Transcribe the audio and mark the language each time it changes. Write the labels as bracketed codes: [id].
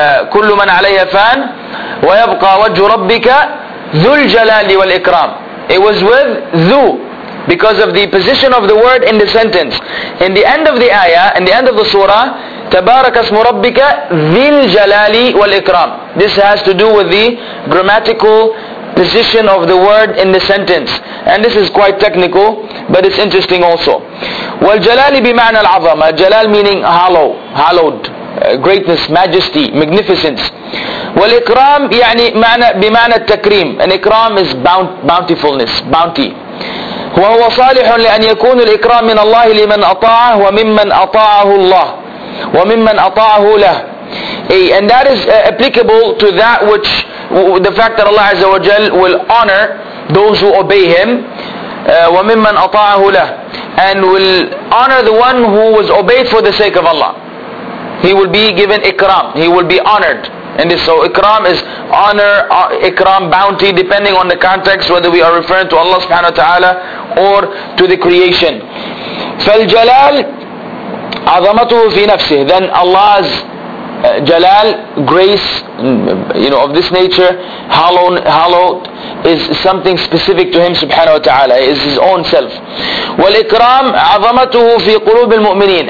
[ar] كل من عليها فان ويبقى وجه ربك ذو الجلال والإكرام. [en] It was with ذو. Because of the position of the word in the sentence. In the end of the ayah, in the end of the surah, تبارك اسم ربك ذي الجلال والإكرام. This has to do with the grammatical position of the word in the sentence. And this is quite technical, but it's interesting also. [ar] والجلال بمعنى العظمة. [en] جلال meaning hollow, hallowed. Greatness, majesty, magnificence. [ar] والإكرام يعني معنى بمعنى التكريم. [en] An إكرام is bountifulness, bounty. [ar] وهو صالح لأن يكون الإكرام من الله لمن أطاعه وممن أطاعه الله وممن أطاعه له. [en] And that is applicable to that which the fact that Allah Azza wa Jal will honor those who obey Him وممن أطاعه له and will honor the one who was obeyed for the sake of Allah. He will be given ikram. He will be honored. And this, so ikram is honor, ikram, bounty, depending on the context, whether we are referring to Allah subhanahu wa ta'ala or to the creation. [ar] فالجلال عظمته في نفسه. [en] Then Allah's jalal, grace, you know, of this nature, hallowed, is something specific to Him subhanahu wa ta'ala, is His own self. [ar] والإكرام عظمته في قلوب المؤمنين.